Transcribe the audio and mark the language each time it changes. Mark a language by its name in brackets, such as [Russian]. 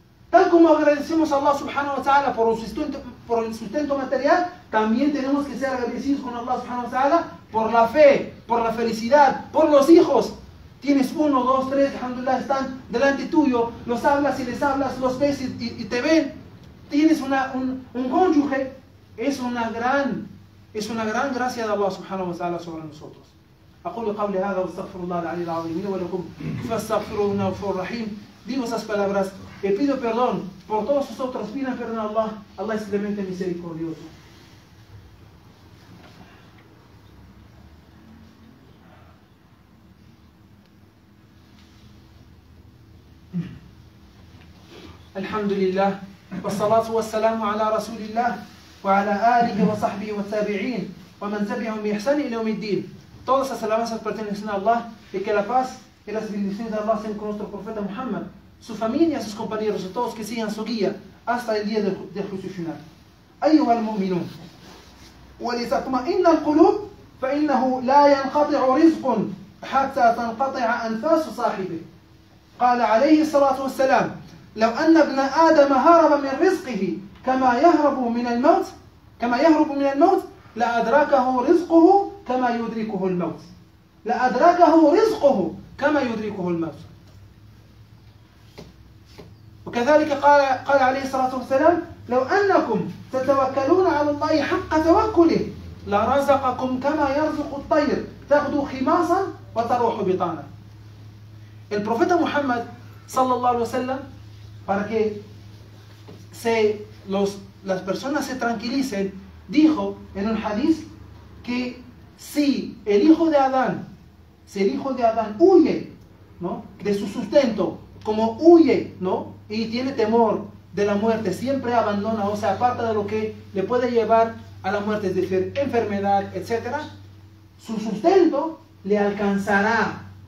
[Spanish] Tal como agradecemos a Allah subhanahu wa ta'ala por el sustento material, también tenemos que ser agradecidos con Allah subhanahu wa ta'ala por la fe, por la felicidad, por los hijos. Tienes uno, dos, tres, alhamdulillah, están delante tuyo, los hablas y les hablas, los ves y te ven. Tienes un cónyuge, es una gran gracia de Allah subhanahu wa ta'ala sobre nosotros. [Arabic] أقول قولي هذا واستغفر الله العلي العظيم لي ولكم فاستغفروه إنه غفور رحيم. [Spanish] Digo esas palabras y pido perdón por todos vosotros, pidan perdón a Allah. Allah es clemente misericordioso. [Arabic] الحمد لله والصلاة والسلام على رسول الله وعلى آله وصحبه والتابعين ومن تبعهم بإحسان إلى يوم الدين. [Spanish] Todas las alabanzas pertenecen a Allah y que la paz y las bendiciones de Allah sean con nuestro profeta Muhammad, su familia, sus compañeros y todos que sigan su guía hasta el día del juicio final. [Arabic] أيها المؤمنون ولتطمئن القلوب فإنه لا ينقطع رزق حتى تنقطع أنفاس صاحبه. قال عليه الصلاة والسلام لو أن ابن آدم هرب من رزقه كما يهرب من الموت لأدركه رزقه كما يدركه الموت وكذلك قال عليه الصلاة والسلام لو أنكم تتوكلون على الله حق توكله لرزقكم كما يرزق الطير تغدو خماصا وتروح بطانا. [Spanish] El profeta Muhammad sallallahu alaihi wasallam, para que las personas se tranquilicen, dijo en un hadith que si el hijo de Adán huye, ¿no?, de su sustento, como huye, ¿no?, y tiene temor de la muerte, siempre abandona, o sea, aparta de lo que le puede llevar a la muerte, es decir, enfermedad, etc., su sustento le alcanzará.